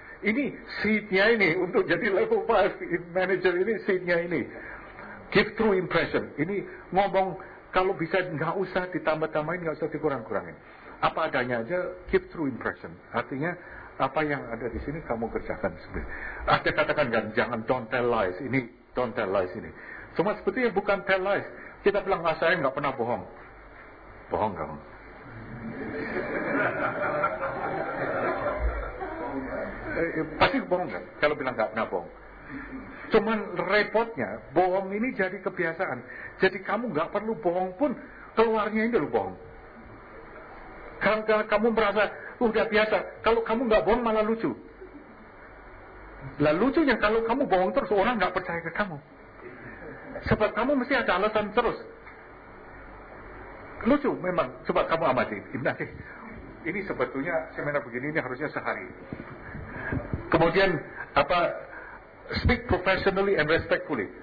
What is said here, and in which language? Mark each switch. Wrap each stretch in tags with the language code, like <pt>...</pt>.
<id>Ini seed-nya ini untuk jadi level 5 manager, ini seed-nya ini.</id> <en>Give true impression.</en> <id>Ini ngomong Kalau bisa nggak usah ditambah-tambahin, nggak usah dikurang-kurangin. Apa adanya aja,</id> <en>keep true impression.</en> <id>Artinya apa yang ada di sini kamu kerjakan sebenarnya. Ada katakan kan, jangan</id> <en>don't tell lies.</en> <id>Ini</id> <en>don't tell lies</en> <id>ini. Cuma sebetulnya bukan tell lies. Kita bilang, ah, saya nggak pernah bohong. Bohong kamu. Pasti bohong kan? Kalau bilang nggak pernah bohong. Cuman repotnya, bohong ini jadi kebiasaan. Jadi kamu nggak perlu bohong pun, keluarnya ini lu bohong. Karena kamu merasa, udah biasa. Kalau kamu nggak bohong malah lucu. Lah lucunya kalau kamu bohong terus, orang nggak percaya ke kamu. Sebab kamu mesti ada alasan terus. Lucu memang. Coba kamu amati. Ini sebetulnya seminar begini, ini harusnya sehari. Kemudian, apa,</id> <en>speak professionally and respectfully.</en>